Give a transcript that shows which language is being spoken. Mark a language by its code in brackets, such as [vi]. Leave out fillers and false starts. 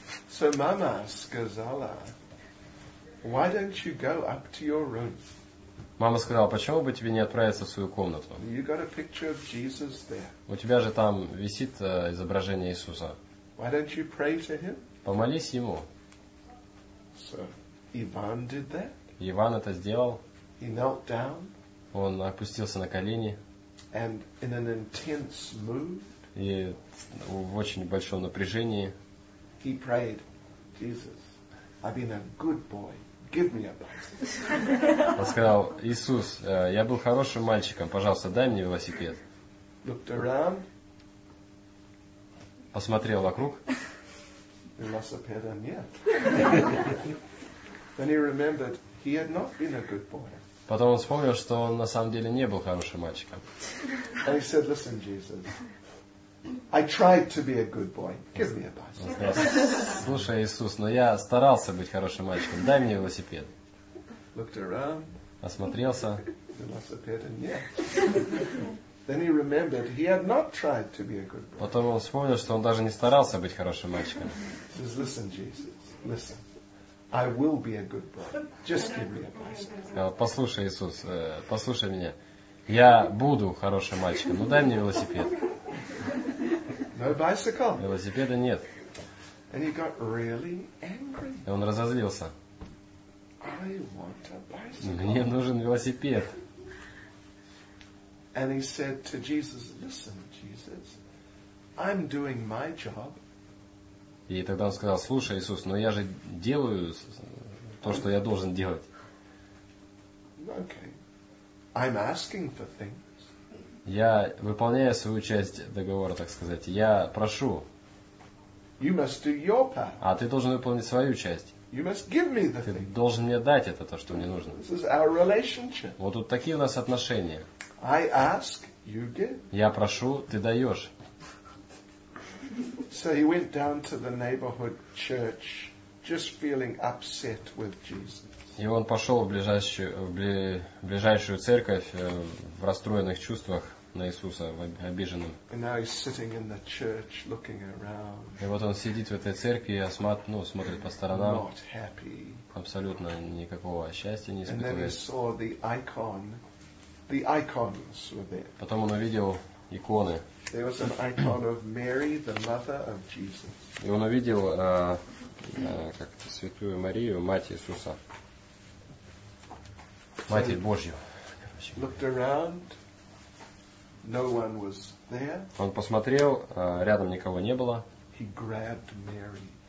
[en] So mama [ru] сказала, [en] why don't you go up to your room? [ru] Мама сказала, почему бы тебе не отправиться в свою комнату? [en] You got a picture of Jesus there. [ru] У тебя же там висит изображение Иисуса. [en] Why don't you pray to him? [ru] Помолись ему. [en] So, Ivan did that. [ru] Иван это сделал. [en] He knelt down. [ru] Он опустился на колени. [en] And in an intense mood. [ru] И в очень большом напряжении. [en] He prayed, Jesus, I've been a good boy. Give me a bicycle. [ru] Он сказал, Иисус, я был хорошим мальчиком, пожалуйста, дай мне велосипед. [en] Looked around. [ru] Посмотрел вокруг. Велосипеда нет. [en] Then he remembered he had not been a good boy. [ru] Потом он вспомнил, что он на самом деле не был хорошим мальчиком. [en] And he said, listen, Jesus, I tried to be a good boy. Give me a bicycle. [ru] Слушай, Иисус, но я старался быть хорошим мальчиком. Дай мне велосипед. [en] Looked around. [ru] Осмотрелся. Велосипеда нет. [en] Then he remembered he had not tried to be a good boy. [ru] Потом он вспомнил, что он даже не старался быть хорошим мальчиком. [en] He says, listen, Jesus, listen. I will be a good boy. Just give me a bicycle. [ru] Послушай, Иисус, послушай меня. Я буду хорошим мальчиком. Ну дай мне велосипед. [en] No bicycle. [ru] Велосипеда нет. [en] And he got really angry. [ru] И он разозлился. [en] I want a bicycle. [ru] Мне нужен велосипед. [en] And he said to Jesus, listen, Jesus, I'm doing my job. [ru] И тогда он сказал, слушай, Иисус, но я же делаю то, что я должен делать. [en] Okay. I'm asking for things. [ru] Я выполняю свою часть договора, так сказать. Я прошу. [en] You must do your part. [ru] А ты должен выполнить свою часть. [en] You must give me the thing. [ru] Ты должен мне дать это, то, что мне нужно. [en] This is our relationship. [ru] Вот тут такие у нас отношения. [en] I ask, you give. [ru] Я прошу, ты даешь. [en] So he went down to the neighborhood church, just feeling upset with Jesus. [ru] И он пошел в ближайшую церковь в расстроенных чувствах на Иисуса, в обиженном. [en] And now he's sitting in the church, looking around. [ru] И вот он сидит в этой церкви и смотрит по сторонам. [en] Not happy. [ru] Абсолютно никакого счастья не испытывает. [en] And then he saw the icon, the icons were there. [ru] Потом он увидел иконы. [en] There was an icon of Mary, the mother of Jesus. [ru] И он увидел святую Марию, мать Иисуса. Матерь Божью. [en] Looked around, no one was there. [ru] Он посмотрел, рядом никого не было. [en] He grabbed Mary.